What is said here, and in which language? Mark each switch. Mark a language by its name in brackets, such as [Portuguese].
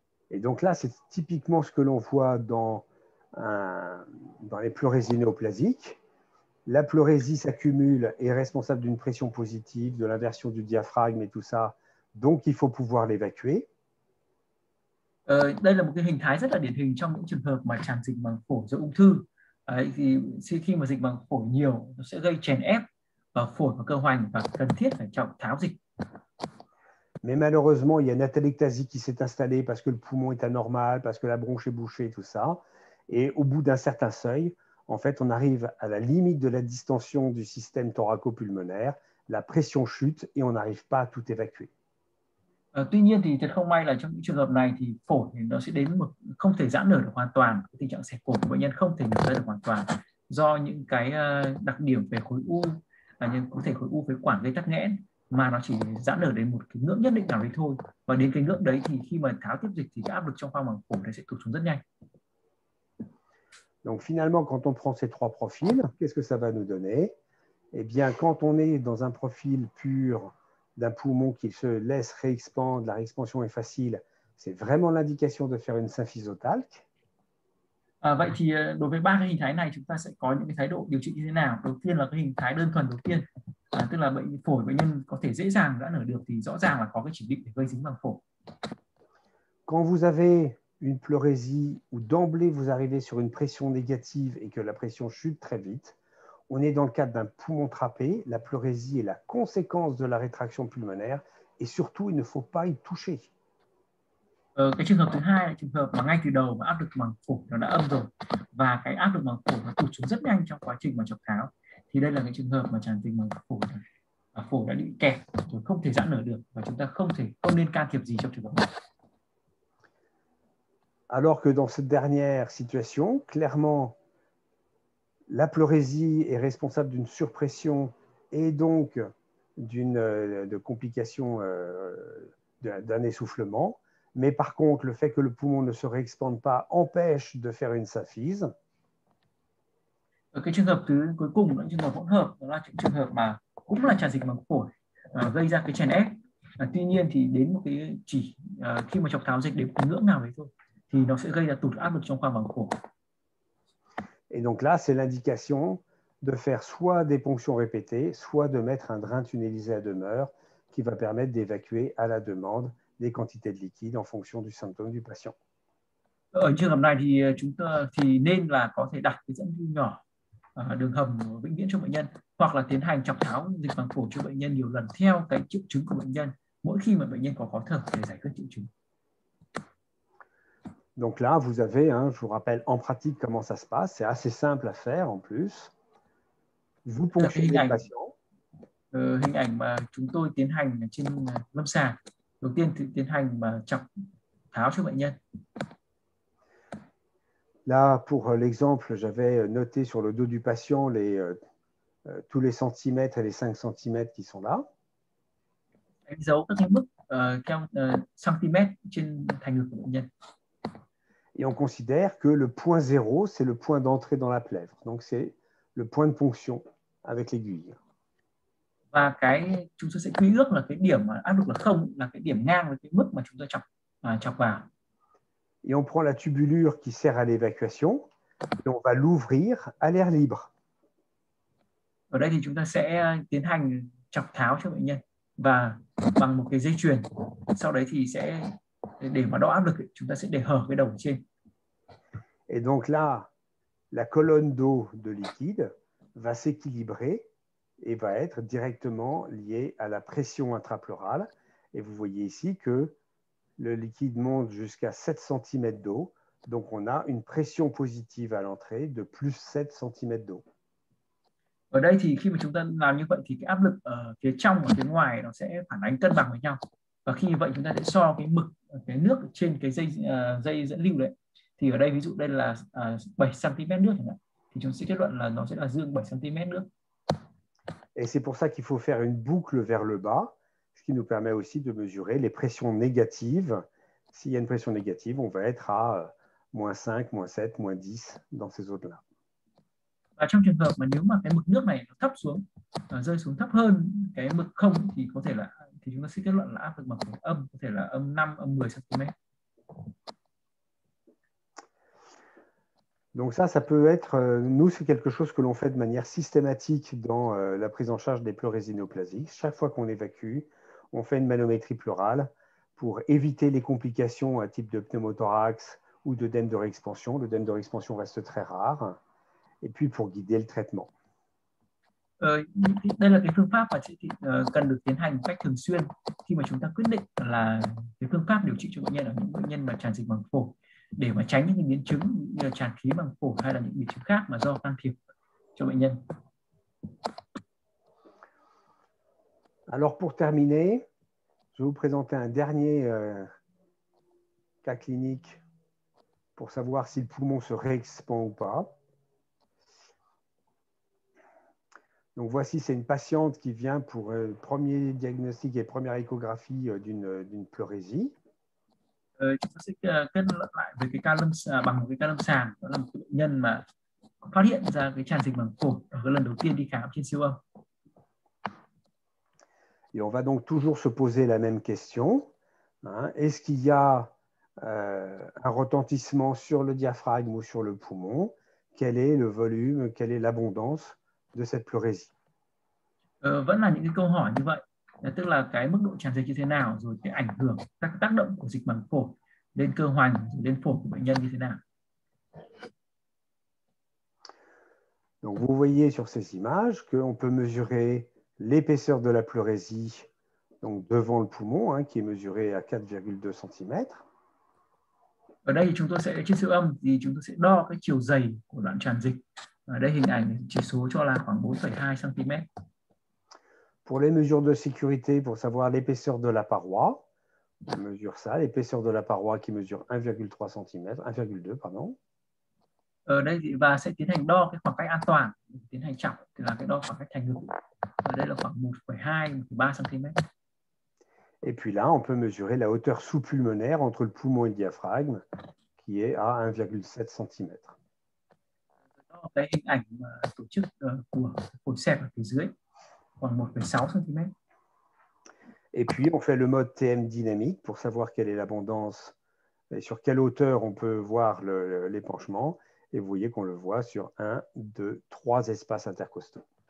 [French] Et donc là, c'est typiquement ce que l'on voit dans, dans les pleurésies néoplasiques. La pleurésie s'accumule et est responsable d'une pression positive, de l'inversion du diaphragme et tout ça. Donc, il faut pouvoir l'évacuer. [Vietnamese] Đây là một cái hình thái rất là điển hình trong những trường hợp mà tràn dịch màng phổi do ung thư. Thì khi mà dịch màng phổi nhiều, nó sẽ gây chèn ép vào phổi và cơ hoành và cần thiết phải chọc tháo dịch. [French] Mais malheureusement, il y a une atélectasie qui s'est installée parce que le poumon est anormal, parce que la bronche est bouchée, tout ça. Et au bout d'un certain seuil, en fait, on arrive à la limite de la distension du système thoraco-pulmonaire, la pression chute et on n'arrive pas à tout évacuer. [Vietnamese] Tuy nhiên thì thật không may là trong những trường hợp này thì phổi thì nó sẽ đến một không thể giãn nở được hoàn toàn, tình trạng xẹp phổi của bệnh nhân không thể nở ra được hoàn toàn do những cái đặc điểm về khối u, nhưng có thể khối u phế quản gây tắc nghẽn. Mà nó chỉ giãn nở đến một cái ngưỡng nhất định nào đấy thôi. Và đến cái ngưỡng đấy thì khi mà tháo tiếp dịch thì cái áp lực trong khoang màng phổi nó sẽ tụt xuống rất nhanh. [French] Donc finalement, quand on prend ces trois profils, qu'est-ce que ça va nous donner? Eh bien, quand on est dans un profil pur d'un poumon qui se laisse réexpandre, la réexpansion est facile, c'est vraiment l'indication de faire une symphysotalque. [Vietnamese] Vậy thì đối với ba cái hình thái này, chúng ta sẽ có những cái thái độ điều trị như thế nào? Đầu tiên là cái hình thái đơn thuần đầu tiên. Tức là bệnh phổi bệnh nhân có thể dễ dàng giãn nở được thì rõ ràng là có cái chỉ định để gây dính màng phổi. [French] Quand vous avez une pleurésie où d'emblée vous arrivez sur une pression négative et que la pression chute très vite, on est dans le cadre d'un poumon trapé. La pleurésie est la conséquence de la rétraction pulmonaire et surtout il ne faut pas y toucher. [Vietnamese] Cái trường hợp thứ hai là trường hợp mà ngay từ đầu mà áp lực màng phổi nó đã âm rồi và cái áp lực màng phổi nó tụt xuống rất nhanh trong quá trình mà chọc tháo. Thì đây là cái trường hợp mà tràn dịch màng phổi đã bị kẹt rồi không thể giãn nở được và chúng ta không nên can thiệp gì trong trường hợp này. [French] Alors que dans cette dernière situation, clairement, la pleurésie est responsable d'une surpression et donc de complications d'un essoufflement. Mais par contre, le fait que le poumon ne se réexpande pas empêche de faire une symphyse. [Vietnamese] Cái trường hợp thứ cuối cùng là trường hợp hỗn hợp, đó là trường hợp mà cũng là tràn dịch màng phổi gây ra cái chèn ép. Tuy nhiên thì đến một cái chỉ khi mà chọc tháo dịch đến một ngưỡng nào đấy thôi, thì nó sẽ gây ra tụt áp lực trong khoang màng phổi. [French] Et donc là, c'est l'indication de faire soit des ponctions répétées, soit de mettre un drain tunnelisé à demeure qui va permettre d'évacuer à la demande des quantités de liquide en fonction du symptôme du patient. [Vietnamese] Ở trường hợp này thì chúng ta thì nên là có thể đặt cái dẫn lưu nhỏ đường hầm vĩnh viễn cho bệnh nhân hoặc là tiến hành chọc tháo dịch màng phổi cho bệnh nhân nhiều lần theo cái triệu chứng của bệnh nhân mỗi khi mà bệnh nhân có khó thở để giải quyết triệu chứng. [French] Donc là, vous avez, hein, je vous rappelle en pratique comment ça se passe, c'est assez simple à faire en plus. Vous ponctionnez le patient. [Vietnamese] Hình ảnh mà chúng tôi tiến hành trên lâm sàng, đầu tiên tiến hành mà chọc tháo cho bệnh nhân. [French] Là, pour l'exemple, j'avais noté sur le dos du patient les, tous les centimètres et les 5 centimètres qui sont là. [Vietnamese] Anh dấu các cái mức centimètres trên thành ngực của bệnh nhân. [French] Et on considère que le point zéro, c'est le point d'entrée dans la plèvre. Donc, c'est le point de ponction avec l'aiguille. [Vietnamese] Và cái, chúng ta sẽ quy ước là cái điểm mà áp lực là không, là cái điểm ngang với cái mức mà chúng ta chọc, chọc vào. [French] Et on prend la tubulure qui sert à l'évacuation et on va l'ouvrir à l'air libre. [Vietnamese] Ở đây thì chúng ta sẽ tiến hành chọc tháo cho bệnh nhân và bằng một cái dây chuyền. Sau đấy thì sẽ để mà đo áp lực, chúng ta sẽ để hở cái đầu trên. [French] Et donc là, la colonne d'eau de liquide va s'équilibrer et va être directement liée à la pression intrapleurale. Et vous voyez ici que le liquide monte jusqu'à 7 cm d'eau. Donc, on a une pression positive à l'entrée de plus 7 cm d'eau. [Vietnamese] Ở đây thì khi mà chúng ta làm như vậy thì cái áp lực ở phía trong và phía ngoài nó sẽ phản ánh cân bằng với nhau. Và khi như vậy chúng ta sẽ so cái mực, cái nước trên cái dây dây dẫn lưu đấy. Thì ở đây ví dụ đây là 7 cm nước chẳng hạn. Thì chúng sẽ kết luận là nó sẽ là dương 7 cm nước. [French] Et c'est pour ça qu'il faut faire une boucle vers le bas, ce qui nous permet aussi de mesurer les pressions négatives. S'il y a une pression négative, on va être à moins 5, moins 7, moins 10 dans ces zones-là. [Vietnamese] Và trong trường hợp mà nếu mà cái mực nước này nó thấp xuống, nó rơi xuống thấp hơn cái mực không thì có thể là thì chúng ta sẽ kết luận là áp lực bằng âm, có thể là âm 5, âm 10 cm. [French] Donc ça, ça peut être, nous, c'est quelque chose que l'on fait de manière systématique dans la prise en charge des pleurésies néoplasiques. Chaque fois qu'on évacue, on fait une manométrie pleurale pour éviter les complications à type de pneumothorax ou d'œdème de réexpansion. L'œdème de réexpansion reste très rare. Et puis, pour guider le traitement. [Vietnamese] Đây là cái phương pháp mà chị cần được tiến hành một cách thường xuyên khi mà chúng ta quyết định là cái phương pháp điều trị cho bệnh nhân là những bệnh nhân mà tràn dịch bằng phổi, để mà tránh những biến chứng như là tràn khí bằng phổi hay là những biến chứng khác mà do can thiệp cho bệnh nhân. [French] Alors pour terminer, je vais vous présenter un dernier cas clinique pour savoir si le poumon se réexpand ou pas. Donc voici, c'est une patiente qui vient pour le premier diagnostic et première échographie d'une pleurésie. [Vietnamese] Chúng ta sẽ kết luận lại với cái ca lâm bằng một cái ca lâm sàng, đó là một bệnh nhân mà phát hiện ra cái tràn dịch bằng phổi ở cái lần đầu tiên đi khám trên siêu âm. [French] Et on va donc toujours se poser la même question, hein, est-ce qu'il y a un retentissement sur le diaphragme ou sur le poumon? Quel est le volume, quelle est l'abondance de cette pleurésie? [Vietnamese] Vẫn là những cái câu hỏi như vậy. Tức là cái mức độ tràn dịch như thế nào, rồi cái ảnh hưởng, các tác động của dịch bằng phổi lên cơ hoành, rồi lên phổi của bệnh nhân như thế nào. [French] Donc vous voyez sur ces images qu'on peut mesurer l'épaisseur de la pleurésie donc devant le poumon, hein, qui est mesuré à 4,2 cm. [Vietnamese] Ở đây thì chúng tôi sẽ trên siêu âm thì chúng tôi sẽ đo cái chiều dày của đoạn tràn dịch. Ở đây hình ảnh chỉ số cho là khoảng 4,2 cm. [French] Pour les mesures de sécurité, pour savoir l'épaisseur de la paroi, on mesure ça, l'épaisseur de la paroi qui mesure 1,3 cm, 1,2 pardon. [Vietnamese] Ở đây thì bà sẽ tiến hành đo cái khoảng cách an toàn, tiến hành chọc, thì là cái đo khoảng cách thành ngực. Ở đây là khoảng 1,2-1,3 cm. [French] Et puis là, on peut mesurer la hauteur sous-pulmonaire entre le poumon et le diaphragme, qui est à 1,7 cm. [Vietnamese] Đó là cái hình ảnh tổ chức của phổi xẹp ở phía dưới. 1,6 cm. [French] Et puis, on fait le mode TM dynamique pour savoir quelle est l'abondance et sur quelle hauteur on peut voir l'épanchement. Et vous voyez qu'on le voit sur 1, 2, 3 espaces intercostaux.